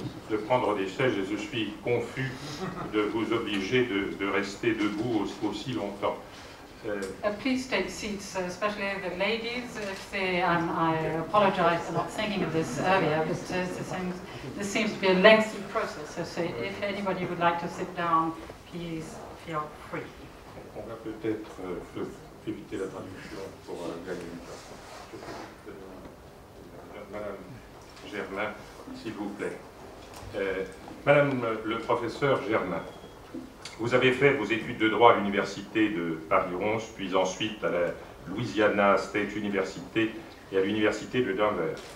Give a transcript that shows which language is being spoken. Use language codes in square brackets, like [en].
[fr] De prendre des sièges et je suis confus de vous obliger de rester debout aussi longtemps. [en] Please take seats, especially the ladies. If they, I apologize for not thinking of this earlier, but this seems to be a lengthy process. So if anybody would like to sit down, please feel free. [fr] On va peut-être éviter la traduction pour gagner une place. Madame Germain. S'il vous plaît. Madame le professeur Germain, vous avez fait vos études de droit à l'Université de Paris 11, puis ensuite à la Louisiana State University et à l'Université de Denver.